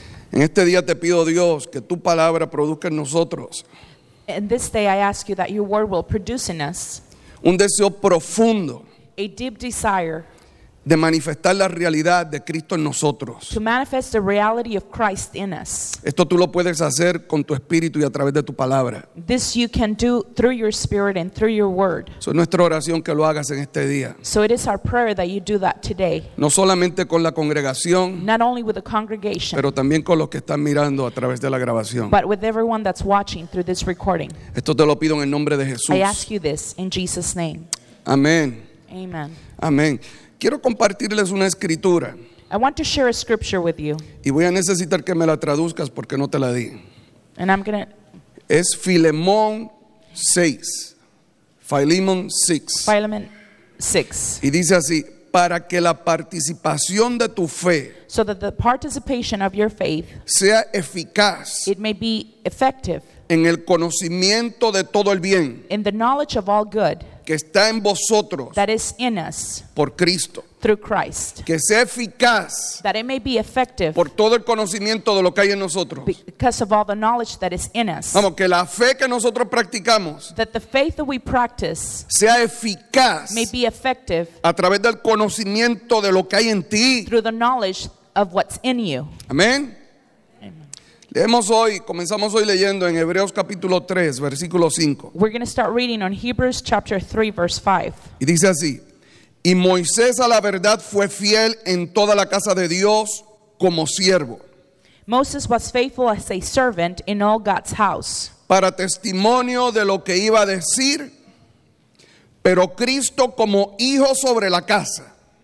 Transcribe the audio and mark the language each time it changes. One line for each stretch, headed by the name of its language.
Spanish: En este día te pido, Dios, que tu palabra produzca en nosotros.
English: In this day I ask you that your word will produce in us.
Spanish: Un deseo profundo.
English: A deep desire.
Spanish: De manifestar la realidad de Cristo en nosotros.
English: To manifest the reality of Christ in us.
Spanish: Esto tú lo puedes hacer con tu espíritu y a través de tu palabra.
English: This you can do through your spirit and through your word.
Spanish: Es nuestra oración que lo hagas en este día.
English: So it is our prayer that you do that today.
Spanish: No solamente con la congregación.
English: Not only with the congregation.
Spanish: Pero también con los que están mirando a través de la grabación.
English: But with everyone that's watching through this recording.
Spanish: Esto te lo pido en el nombre de Jesús.
English: I ask you this in Jesus' name.
Spanish: Amén.
English: Amen.
Spanish: Amén. Quiero compartirles una escritura.
English: I want to share a scripture with you.
Spanish: Y voy a necesitar que me la traduzcas porque no te la di.
English: And I'm gonna...
Spanish: Es Filemón 6. Philemon 6.
English: Philemon 6.
Spanish: Y dice así, para que la participación de tu fe,
English: so that the participation of your faith,
Spanish: sea eficaz,
English: it may be effective,
Spanish: en el conocimiento de todo el bien,
English: in the knowledge of all good,
Spanish: que está en vosotros,
English: that is in us,
Spanish: por Cristo,
English: through Christ,
Spanish: que sea eficaz,
English: that it may be effective,
Spanish: por todo el conocimiento de lo que hay en nosotros,
English: because of all the knowledge that is in us.
Spanish: Vamos, que la fe que nosotros practicamos,
English: that the faith that we practice,
Spanish: sea eficaz,
English: may be effective,
Spanish: a través del conocimiento de lo que hay en ti,
English: through the knowledge of what's in you.
Spanish: Amén. Leemos hoy, comenzamos hoy leyendo en Hebreos capítulo 3, versículo 5.
English: We're going to start reading on Hebrews chapter 3, verse 5.
Spanish: Y dice así, y Moisés a la verdad fue fiel en toda la casa de Dios como siervo.
English: Moses was faithful as a servant in all God's house.
Spanish: Para testimonio de lo que iba a decir, pero Cristo como hijo sobre la casa.